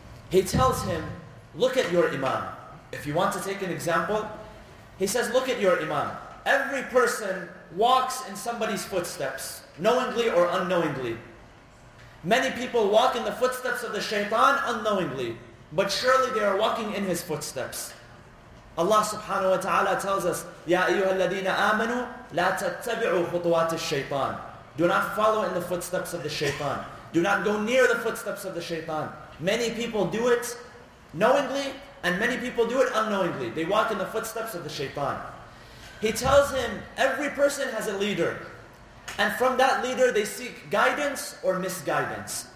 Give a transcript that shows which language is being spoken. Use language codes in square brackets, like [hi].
[en] He tells him, look at your Imam. If you want to take an example, he says, look at your Imam. Every person walks in somebody's footsteps, knowingly or unknowingly. Many people walk in the footsteps of the shaitan unknowingly, but surely they are walking in his footsteps. Allah subhanahu wa ta'ala tells us, [ar] يَا أَيُّهَا الَّذِينَ آمَنُوا لَا تَتَّبِعُوا خُطُوَاتِ الشَّيْطَانِ. [en] Do not follow in the footsteps of the shaitan. Do not go near the footsteps of the shaitan. Many people do it knowingly, and many people do it unknowingly. They walk in the footsteps of the shaitan. He tells him, every person has a leader. And from that leader, they seek guidance or misguidance.